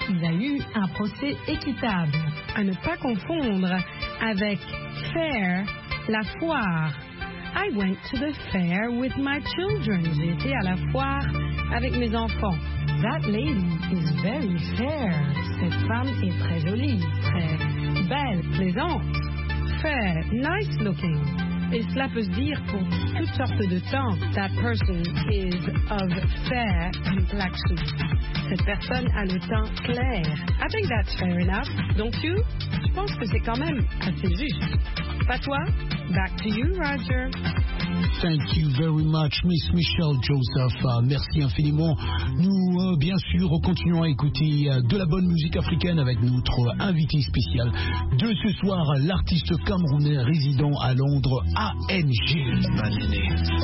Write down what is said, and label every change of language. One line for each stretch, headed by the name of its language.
French: Il a eu un procès équitable. À ne pas confondre avec fair, la foire.
English: I went to the fair with my children.
French: J'ai été à la foire avec mes enfants.
English: That lady is very fair.
French: Cette femme est très jolie, très belle, plaisante.
English: Fair, nice looking.
French: Et cela peut se dire pour toutes sortes de temps.
English: That person is of fair complexion.
French: Cette personne a le teint clair.
English: I think that's fair enough. Don't you?
French: Je pense que c'est quand même assez juste. Pas toi?
English: Back to you, Roger. Thank you very much, Miss Michelle Joseph.
French: Merci infiniment. Nous, bien sûr, continuons à écouter de la bonne musique africaine avec notre invité spécial de ce soir, l'artiste camerounais résident à Londres, ANG.